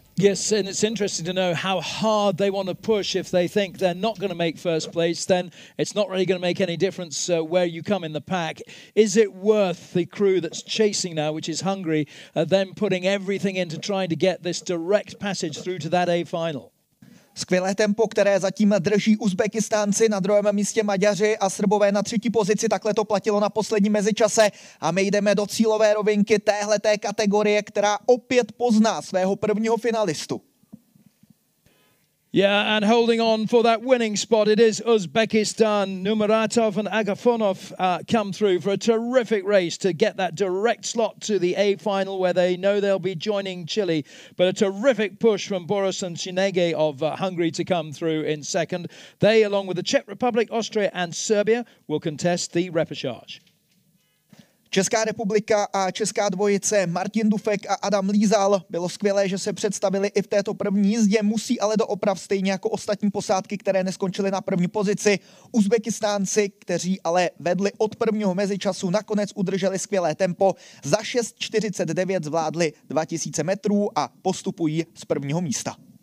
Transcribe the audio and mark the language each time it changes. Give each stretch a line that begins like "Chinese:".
English: Yes, and it's interesting to know how hard they want to push. If they think they're not going to make first place, then it's not really going to make any difference where you come in the pack. Is it worth the crew that's chasing now, which is Hungary, then putting everything into trying to get this direct passage through to that A final?
Czech: Skvělé tempo, které zatím drží Uzbekistánci na druhém místě Maďaři a Srbové na třetí pozici, takhle to platilo na poslední mezičase a my jdeme do cílové rovinky téhleté kategorie, která opět pozná svého prvního finalistu.
English: Yeah, and holding on for that winning spot, it is Uzbekistan. Numeratov and Agafonov come through for a terrific race to get that direct slot to the A final where they know they'll be joining Chile. But a terrific push from Boras and Cinege of Hungary to come through in second. They, along with the Czech Republic, Austria and Serbia, will contest the repechage.
Czech: Česká republika a česká dvojice Martin Dufek a Adam Lízal. Bylo skvělé, že se představili i v této první jízdě, musí ale do oprav stejně jako ostatní posádky, které neskončily na první pozici. Uzbekistánci, kteří ale vedli od prvního mezičasu, nakonec udrželi skvělé tempo. Za 6.49 zvládli 2000 metrů a postupují z prvního místa.